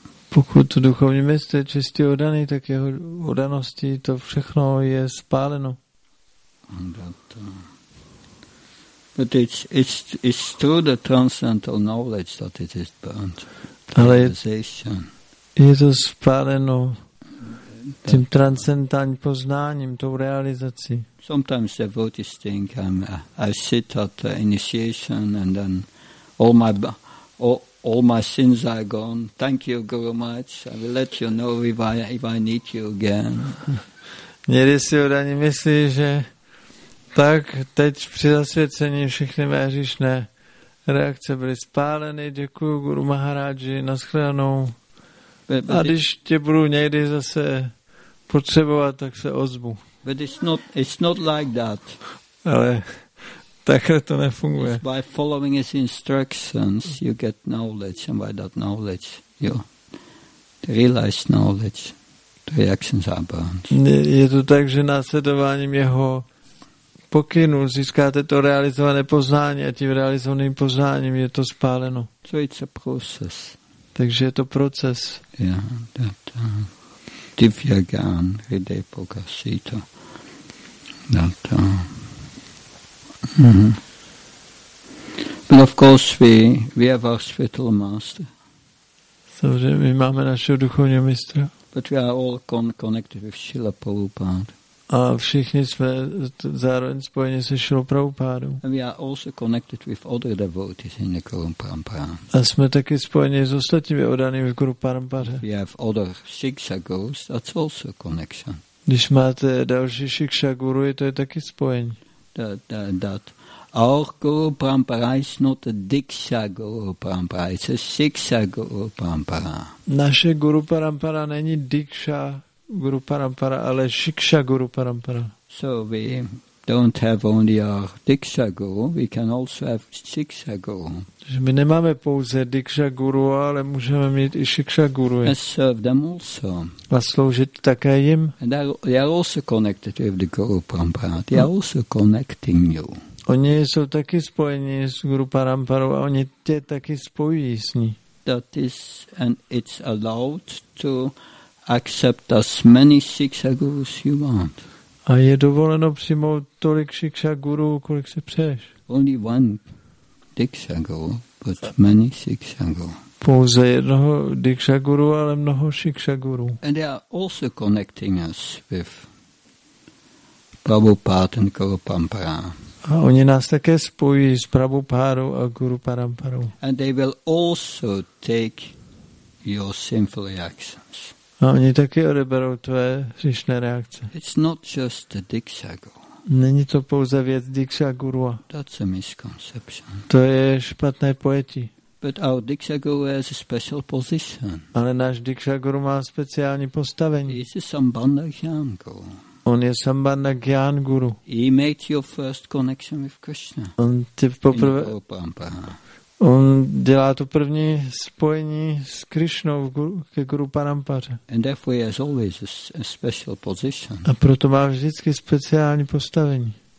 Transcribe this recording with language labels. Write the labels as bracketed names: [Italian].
[Czech] Pokud to duchovní mistr je čistě oddaný, tak jeho oddaností to všechno je spáleno. [English] But it's through the transcendental knowledge that it is burned. [Czech] Ale je to spáleno tím transcendentálním poznáním, tou realizací. [English] Sometimes devotees think I sit at the initiation and then all my sins are gone. Thank you, Guru Maharaj. I will let you know if I need you again. [Czech] Někdy si oddaní myslí, že tak teď při zasvěcení všechny mé hříšné reakce byly spáleny. Děkuju, Guru Maharaji, naschledanou. A když tě budu někdy zase potřebovat, tak se ozvu. [English] But it's not like that. [Czech] Ale takhle to nefunguje. [English] It's by following his instructions, you get knowledge, and by that knowledge, you realize knowledge. The reactions are burned. [Czech] Je to tak, že následováním jeho pokynu získáte to realizované poznání a tím realizovaným poznáním je to spáleno. [English] So it's a process. [Czech] Takže je to proces. [English] Yeah, that, [Sanskrit] Divya Gyan Hridepo Gassito. [English] That, But of course we have our spiritual master. [Czech] Samozřejmě, my máme našeho duchovního mistra. [English] But we are all connected with Srila Prabhupada. [Czech] A všichni jsme zároveň spojeni se Srila Prabhupádou. [English] And we are also connected with other devotees in the Guru Parampara. [Czech] A jsme taky spojeni s ostatními oddanými v Guru Parampara. [English] We have other Shiksha Gurus, that's also connection. [Czech] Když máte další Shiksha Guru, je to je taky spojení. [English] That our Guru Parampara is not a Diksha Guru Parampara, it's a Shiksha Guru Parampara. [Czech] Naše Guru Parampara není Diksha Guru Parampara, ale Shiksha Guru Parampara. [English] So we don't have only our Diksha Guru, we can also have Shiksha Guru. [Czech] Že my nemáme pouze Diksha Guru, ale můžeme mít i Shiksha Guru. [English] And serve them also. [Czech] A sloužit také jim. [English] And they are also connected with the Guru Parampara. They are also connecting you. [Czech] Oni jsou taky spojeni s Guru Paramparou a oni tě taky spojují s ní. [English] That is, and it's allowed to accept as many Shiksha Gurus you want. [Czech] A je dovoleno přijmout tolik Shiksha Guru, kolik si přeješ. [English] Only one Diksha Guru, but many Shiksha Guru. [Czech] Pouze jednoho Diksha Guru, ale mnoho Shiksha Guru. [English] And they are also connecting us with Prabhupada and Guru Parampara. [Czech] A oni nás také spojí s Prabhupádou a Guru Paramparou. [English] And they will also take your sinful reactions. [Czech] A oni také odeberou tvé hříšné reakce. [English] It's not just the Diksha Guru. [Czech] Není to pouze věc Diksha Gurua. [English] That's a misconception. [Czech] To je špatné pojetí. [English] But our Diksha Guru has a special position. [Czech] Ale náš Diksha Guru má speciální postavení. [English] He's a Sambandha Gyan Guru. [Czech] On je Sambandha Gyan Guru. [English] He made your first connection with Krishna. [Czech] On ti poprvé. On dělá to první spojení s Krishnou ke Guru Parampara. And therefore he has always a special position. A proto má vždycky speciální postavení.